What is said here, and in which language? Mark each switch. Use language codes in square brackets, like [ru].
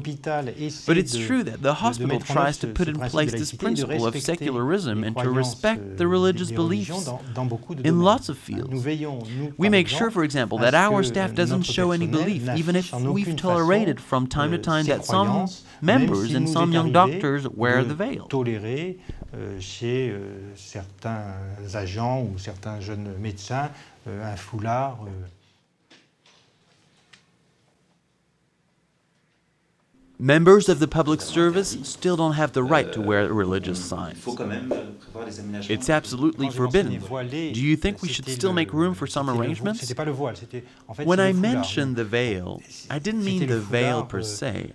[en] But it's true that the hospital tries to put in place this principle of secularism and to respect the religious beliefs in lots of fields. We make sure, for example, that our staff doesn't show any belief, even if we've tolerated from time to time that some members and some young doctors wear the veil. [fr] Tolérer chez certains agents ou certains jeunes médecins un foulard. [en] Members of the public service still don't have the right to wear religious signs. It's absolutely forbidden. Do you think we should still make room for some arrangements? When I mentioned the veil, I didn't mean the veil per se.